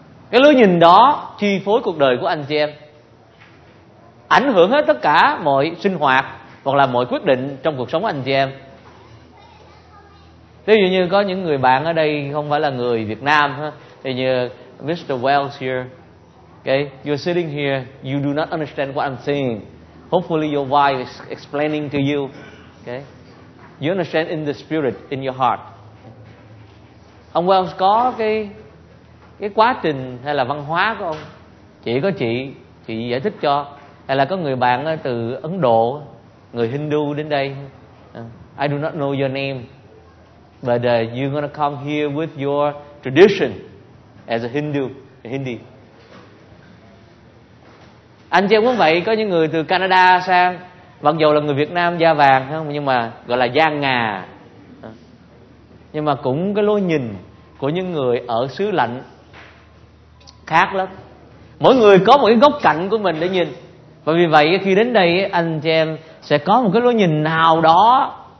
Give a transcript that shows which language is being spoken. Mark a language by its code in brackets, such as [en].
[vi] Cái lối nhìn đó chi phối cuộc đời của anh chị em, ảnh hưởng hết tất cả mọi sinh hoạt hoặc là mọi quyết định trong cuộc sống của anh chị em. Ví dụ như có những người bạn ở đây không phải là người Việt Nam ha, thì như Mr. [en] Wells here, okay, you're sitting here, you do not understand what I'm saying. Hopefully your wife is explaining to you, okay? You understand in the spirit, in your heart. [vi] Ông Wells có cái quá trình hay là văn hóa của ông, chỉ có chị giải thích cho, hay là có người bạn từ Ấn Độ, người Hindu đến đây. [en] I do not know your name, but you're gonna come here with your tradition as a Hindu, a Hindi. [vi] Anh chị em cũng vậy, có những người từ Canada sang, mặc dù là người Việt Nam da vàng nhưng mà gọi là da ngà, nhưng mà cũng cái lối nhìn của những người ở xứ lạnh khác lắm. Mỗi người có một cái góc cạnh của mình để nhìn. Và vì vậy khi đến đây, anh chị em sẽ có một cái lối nhìn nào đó.